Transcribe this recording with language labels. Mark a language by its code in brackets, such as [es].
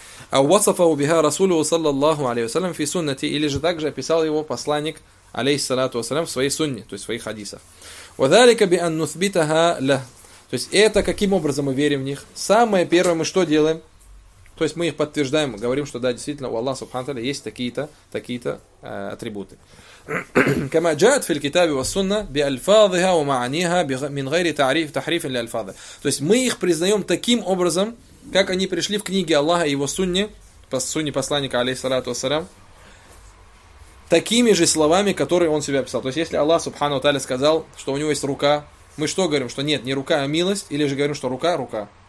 [ru] А [ar] وصفه بها رسوله صلى الله عليه وسلم في سنته, [ru] или же также описал его посланник алейхиссалату вассалям в своей сунне, то есть в своих хадисах. [ar] وذلك بان نثبتها له. [ru] То есть это каким образом мы верим в них? Самое первое мы что делаем? То есть мы их подтверждаем, говорим, что да, действительно у Аллаха субхана ва тааля есть такие-то атрибуты. [ar] كما جاءت في الكتاب والسنه بالفاظها ومعانيها من غير تعريف تحريف للالفاظ. [ru] То есть мы их признаем таким образом, как они пришли в книге Аллаха и его сунне, по сунне посланника, алейхиссалату вассалям, такими же словами, которые он себя описал. То есть, если Аллах, субхану тааля, сказал, что у него есть рука, мы что говорим, что нет, не рука, а милость, или же говорим, что рука, рука.